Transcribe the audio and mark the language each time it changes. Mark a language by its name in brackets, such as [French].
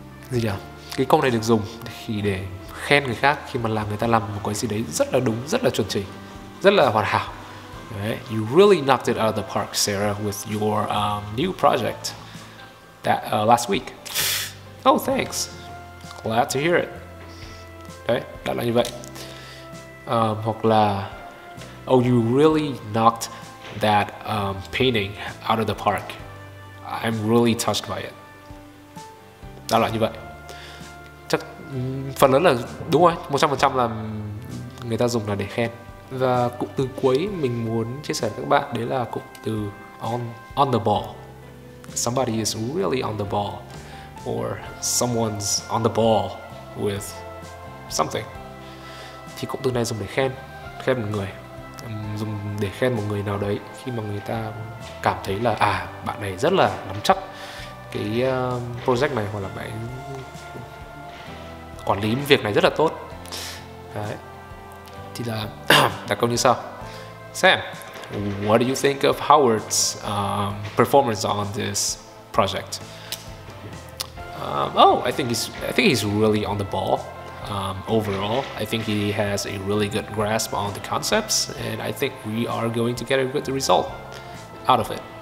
[Vietnamese] Gì nhỉ? Cái câu này được dùng khi để khen người khác khi mà làm người ta làm một cái gì đấy rất là đúng, rất là chuẩn chỉnh, rất là hoàn hảo. Đấy. [English] You really knocked it out of the park, Sarah, with your new project that last week. Oh, thanks. Glad to hear it. [Vietnamese] Đấy, đã là như vậy. Hoặc là [English] oh, you really knocked that painting out of the park. I'm really touched by it. [Vietnamese] Đó là như vậy. Chắc phần lớn là đúng rồi, 100% là người ta dùng là để khen. Và cụm từ cuối mình muốn chia sẻ với các bạn đấy là cụm từ on the ball. [English] Somebody is really on the ball, or someone's on the ball with something. [Vietnamese] Thì cụm từ này dùng để khen một người, dùng để khen một người nào đấy khi mà người ta cảm thấy là à, bạn này rất là nắm chắc cái project này, hoặc là bạn quản lý việc này rất là tốt. Đấy. Thì là đặt câu như sau. [English] Sam, what do you think of Howard's performance on this project? I think he's really on the ball. Overall, I think he has a really good grasp on the concepts, and I think we are going to get a good result out of it.